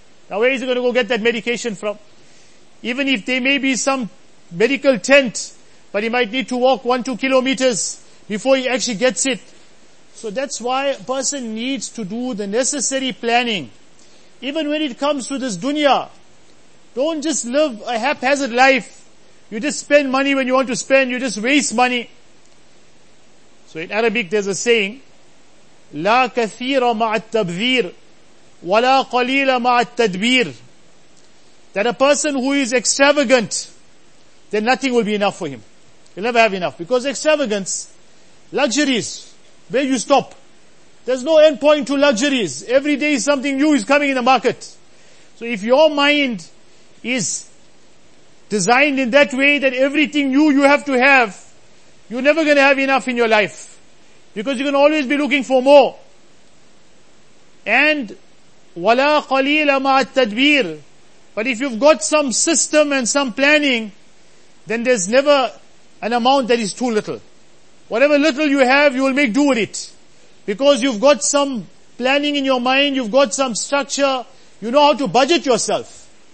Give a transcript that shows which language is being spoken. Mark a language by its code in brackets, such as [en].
[en] Now where is he going to go get that medication from? Even if there may be some medical tent, but he might need to walk 1-2 kilometers before he actually gets it. So that's why a person needs to do the necessary planning. Even when it comes to this dunya, don't just live a haphazard life. You just spend money when you want to spend. You just waste money. So in Arabic, there's a saying, [ar] لا كثير مع التبذير ولا قليل مع التدبير. [en] That a person who is extravagant, then nothing will be enough for him. He'll never have enough. Because extravagance, luxuries, where you stop. There's no end point to luxuries. Every day something new is coming in the market. So if your mind is designed in that way that everything new you have to have, you're never going to have enough in your life. Because you can always be looking for more. [ar] And وَلَا قَلِيلَ مَعَ التَّدْبِيرِ. [en] But if you've got some system and some planning, then there's never an amount that is too little. Whatever little you have, you will make do with it. Because you've got some planning in your mind, you've got some structure, you know how to budget yourself.